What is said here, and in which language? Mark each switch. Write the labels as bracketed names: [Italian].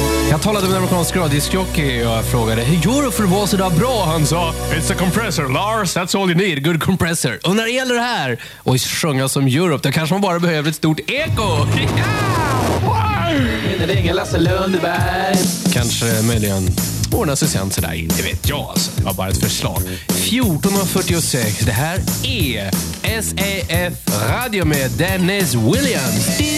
[Swedish] Jag talade med en amerikansk radiojockey och jag frågade, hur gör du för att vara så där bra? Han sa, [English] it's a compressor, Lars, that's all you need, good compressor. [Swedish] Och när det gäller det här, och sjunga som Europe, då kanske man bara behöver ett stort eko. Yeah! Wow! Kanske möjligen. och en assistent sådär in. Det vet jag alltså. Det var bara ett förslag. 14.46. Det här är SAF Radio med Dennis Williams.